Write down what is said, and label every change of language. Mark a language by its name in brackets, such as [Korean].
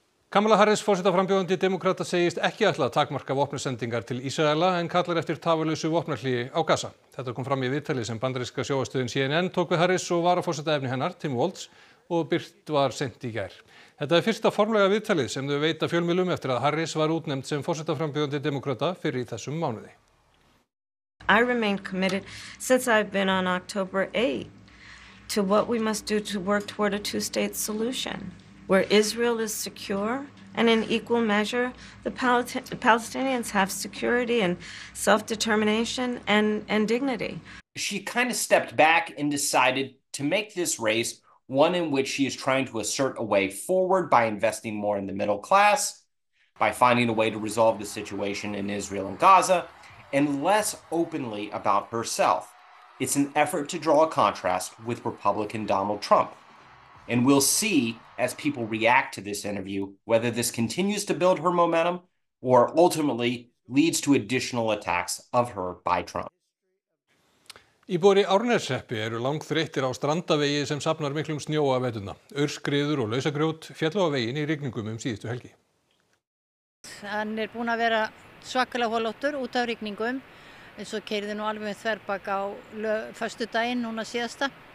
[Icelandic] Kamala Harris, forsetaframbjóðandi demókrata, segist ekki ætla að takmarka vopnasendingar til Ísraela en kallar eftir tafarlausu vopnahlýi á Gaza. Þetta kom fram í viðtali sem bandaríska sjónvarpsstöðin CNN tók við Harris og varaforsetaefni hennar, Tim Walz, og birt var seint í gær. Þetta er fyrsta formlega viðtalið sem þau veita fjölmiðlum eftir að Harris var útnefnd sem forsetaframbjóðandi demókrata fyrir í þessum mánuði. [English] I remain committed since I've been on October 8 to what we must do to work toward a two-state solution. Where Israel is secure and in equal measure, the Palestinians have security and self-determination and dignity. She kind of stepped back and decided to make this race one in which she is trying to assert a way forward by investing more in the middle class, by finding a way to resolve the situation in Israel and Gaza, and less openly about herself. It's an effort to draw a contrast with Republican Donald Trump. And we'll see, as people react to this interview, whether this continues to build her momentum or ultimately leads to additional attacks of her by Trump. [Icelandic] Íbúar í Árneshreppi eru langþreyttir á strandavegi sem safnar miklum snjó af veturna. Aurskriður og lausagrjót féllu á veginn í rigningum síðustu helgi. Hann búinn að vera svakalega holóttur út af rigningum, eins og keyrði nú alveg með þverbak á föstudaginn núna síðasta.